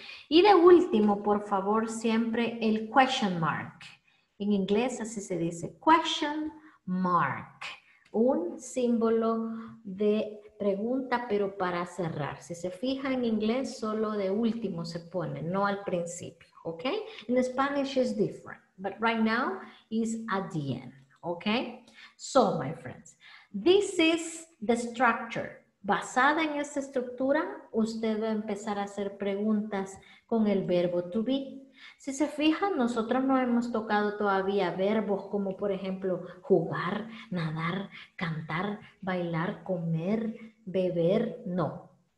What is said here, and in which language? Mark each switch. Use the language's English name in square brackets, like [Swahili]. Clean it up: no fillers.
[Spanish] Y de último, por favor, siempre el question mark. En inglés así se dice, question mark. Un símbolo de pregunta, pero para cerrar. Si se fija en inglés, solo de último se pone, no al principio, ¿ok? [English] In Spanish is different, but right now is at the end. Okay, so my friends, this is the structure. [Spanish] Basada en esta estructura, usted va a empezar a hacer preguntas con el verbo to be. Si se fijan, nosotros no hemos tocado todavía verbos como, por ejemplo, jugar, nadar, cantar, bailar, comer, beber, no.